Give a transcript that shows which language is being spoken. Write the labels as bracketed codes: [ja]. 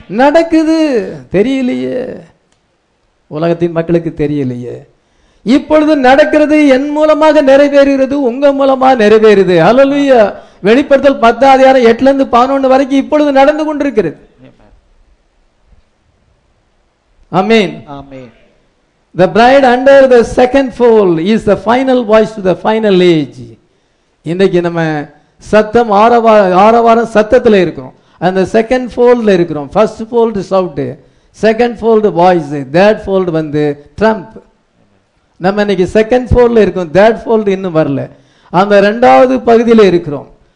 [ta] நடக்குது, தெரியலையே உலகத்தின் மக்களுக்கு, தெரியலையே. இப்பொழுது நடக்கிறது, என் மூலமாக நிறைவேறுகிறது, உங்க மூலமா நிறைவேறுது. ஹல்லேலூயா. வெளிப்படுத்தல் 10:8-11 வரைக்கும் இப்பொழுது நடந்து கொண்டிருக்கிறது. ஆமென். ஆமென். [en] The bride under the second fold is the final voice to the final age. [ta] இன்னைக்கு நம்ம சத்தம் ஆறவாரம் சத்தத்தில் இருக்கிறோம். அந்த செகண்ட் ஃபோல்ட்ல இருக்கிறோம். [en] First fold shout, second fold voice, third fold வந்து trump. [ta] நம்ம இன்னைக்கு செகண்ட் ஃபோல்டில் இருக்கோம். தேர்ட் ஃபோல்டு இன்னும் வரல. அந்த ரெண்டாவது பகுதியில் இருக்கிறோம்.